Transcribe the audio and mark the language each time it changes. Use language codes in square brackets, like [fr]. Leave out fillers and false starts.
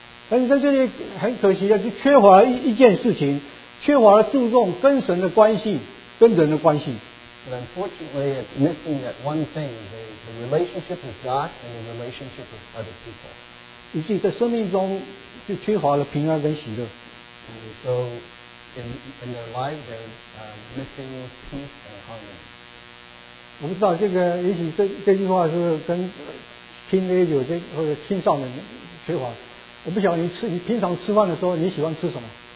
[zh] 但是在这里很可惜的，就缺乏了 一件事情，缺乏了注重跟神的关系，跟人的关系。 [en] But unfortunately, it's missing that one thing: the relationship with God and the relationship with other people. [zh] 以至于在生命中就缺乏了平安跟喜乐。 [en] And so, in their life, they're missing peace and harmony. [zh] 我不知道这个，也许这句话是跟听那有些或者青少年缺乏。我不晓得你平常吃饭的时候你喜欢吃什么？